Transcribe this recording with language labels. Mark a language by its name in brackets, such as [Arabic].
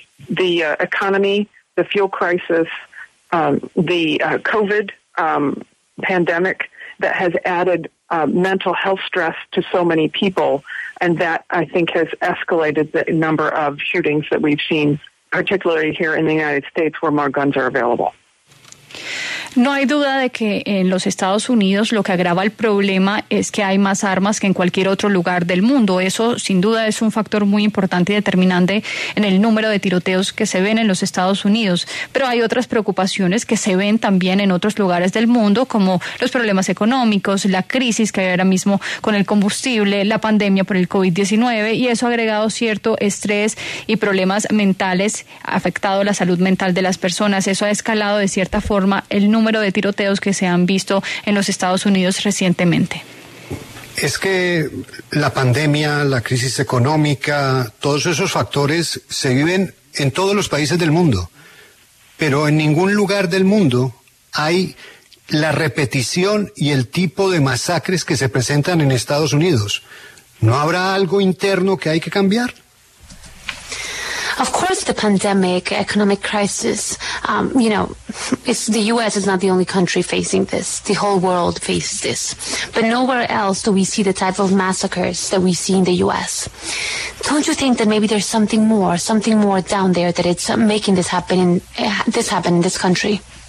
[English] The economy, the fuel crisis, the COVID pandemic that has added mental health stress to so many people. And that, I think, has escalated the number of shootings that we've seen, particularly here in the United States, where more guns are available. [Spanish] No hay duda de que en los Estados Unidos lo que agrava el problema es que hay más armas que en cualquier otro lugar del mundo. Eso, sin duda, es un factor muy importante y determinante en el número de tiroteos que se ven en los Estados Unidos. Pero hay otras preocupaciones que se ven también en otros lugares del mundo, como los problemas económicos, la crisis que hay ahora mismo con el combustible, la pandemia por el COVID-19, y eso ha agregado cierto estrés y problemas mentales, ha afectado la salud mental de las personas. Eso ha escalado de cierta forma el número de tiroteos que se han visto en los Estados Unidos recientemente. Es que la pandemia, la crisis económica, todos esos factores se viven en todos los países del mundo, pero en ningún lugar del mundo hay la repetición y el tipo de masacres que se presentan en Estados Unidos. ¿No habrá algo interno que hay que cambiar? [English] Of course, the pandemic, economic crisis, the U.S. is not the only country facing this. The whole world faces this. But nowhere else do we see the type of massacres that we see in the U.S. Don't you think that maybe there's something more down there that it's making this happen in this country?